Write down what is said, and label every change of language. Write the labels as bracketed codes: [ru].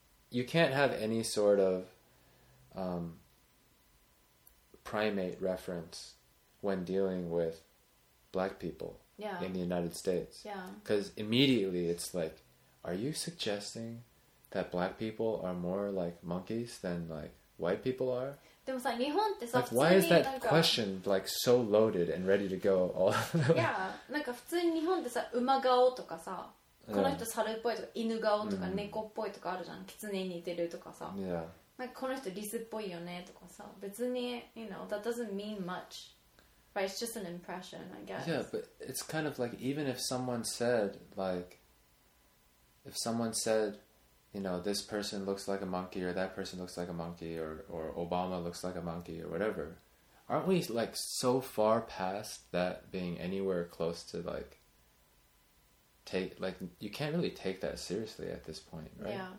[en] You can't have any sort of、primate reference when dealing with black people、 yeah. in the United States. Yeah. Because immediately it's likeAre you suggesting that black people are more like monkeys than like white people are? [ja] でもさ、日本ってさ、 [en] like, why is that question like so loaded and ready to go all the way? Yeah, [ja] なんか普通に日本ってさ、馬顔とかさ、この人猿っぽいとか犬顔とか猫っぽいとかあるじゃん。狐に似てるとかさ。 [en] Yeah. [ja] なんかこの人リスっぽいよねとかさ。別に、 [en] you know, that doesn't mean much. But it's just an impression, I guess. Yeah, but it's kind of like even if someone said likeIf someone said, you know, this person looks like a monkey or that person looks like a monkey or Obama looks like a monkey or whatever, aren't we like so far past that being anywhere close to like, take, like, you can't really take that seriously at this point, right?